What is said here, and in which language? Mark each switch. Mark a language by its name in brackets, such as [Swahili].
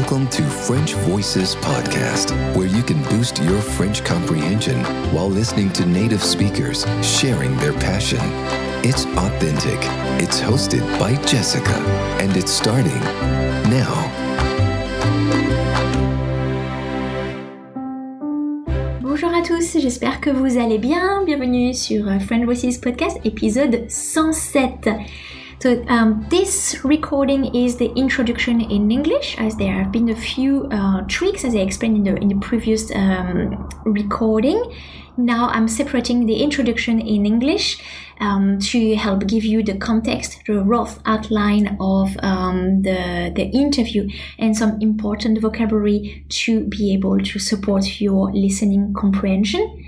[English] to French Voices Podcast, where you can boost your French comprehension while listening to native speakers sharing their passion. It's authentic. It's hosted by Jessica, and it's starting now. [French] Bonjour à tous, j'espère que vous allez bien. Bienvenue sur French Voices Podcast, épisode 107. [English] So this recording is the introduction in English, as there have been a few tweaks, as I explained in the previous recording. Now I'm separating the introduction in English to help give you the context, the rough outline of the interview, and some important vocabulary to be able to support your listening comprehension.